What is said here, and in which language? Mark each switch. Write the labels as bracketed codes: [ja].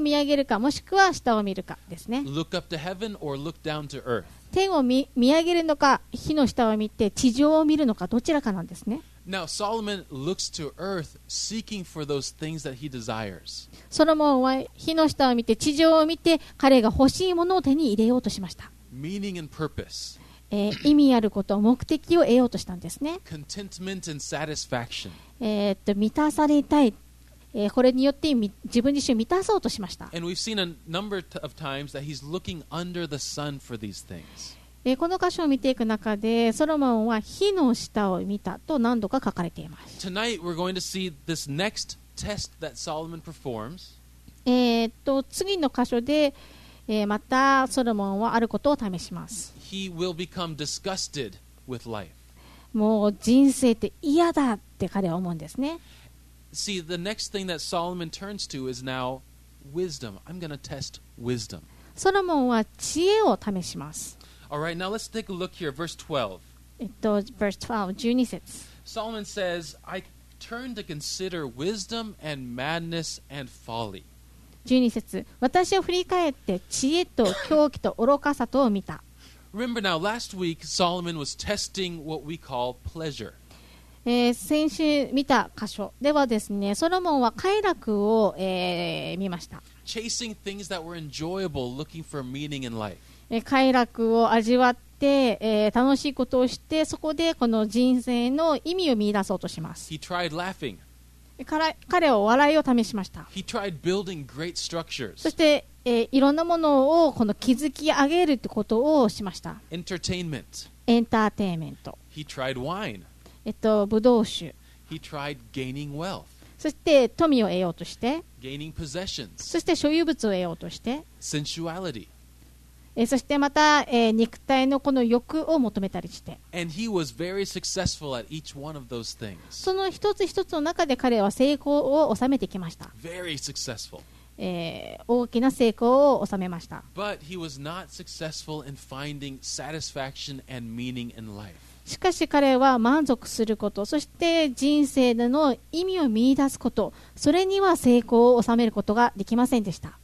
[ja] 見上げるかもしくは下を見るかですね。 [en] Look up to heaven or look down to earth. [ja] 天を 見上げるのか火の下を見て地上を見るのかどちらかなんですね。 [en] Now Solomon looks to earth, seeking for those things that he desires. [ja] ソロモンは火の下を見て地上を見て彼が欲しいものを手に入れようとしました。 [en] Meaning and purpose. [ja] 意味あること、目的を得ようとしたんですね。 [en] Contentment and satisfaction. [ja] 満たされたい。これによって自分自身を満たそうとしました。 [en] And we've seen a number of times that he's looking under the sun for these things. [ja] この箇所を見ていく中でソロモンは火の下を見たと何度か書かれています。 [en] Tonight we're going to see this next test that Solomon performs. [ja] 次の箇所で、またソロモンはあることを試します。 [en] He will become disgusted with life. [ja] もう人生って嫌だって彼は思うんですね。 [en] See, the next thing that Solomon turns to is now wisdom. I'm going to test wisdom. [ja] ソロモンは知恵を試します。 [en] All right, now let's take a look here, verse 12. Verse 12, [ja] 12節。 [en] Solomon says, I turn to consider wisdom and madness and folly. [ja] 12節、私を振り返って知恵と狂気と愚かさとを見た。 [en] Remember now, last week, Solomon was testing what we call pleasure. [ja] 先週見た箇所ではですね、ソロモンは快楽を、見ました。 [en] Chasing things that were enjoyable, looking for meaning in life. [ja] 快楽を味わって、楽しいことをしてそこでこの人生の意味を見出そうとします。 [en] He tried laughing. [ja] 彼は笑いを試しました。 [en] He tried building great structures. [ja] そして、いろんなものをこの築き上げるってことをしました。 [en] Entertainment. [ja] エンターテインメント。 [en] He tried wine. [ja] ブドウ酒。 [en] He tried gaining wealth. [ja] そして富を得ようとして [en] gaining possessions. [ja] そして所有物を得ようとして [en] sensuality. [ja] そしてまた、肉体のこの欲を求めたりして。 [en] And he was very successful at each one of those things. [ja] その一つ一つの中で彼は成功を収めてきました。 [en] Very successful. [ja] 大きな成功を収めました。 [en] But he was not successful in finding satisfaction and meaning in life. [ja] しかし彼は満足すること、そして人生での意味を見出すこと、それには成功を収めることができませんでした。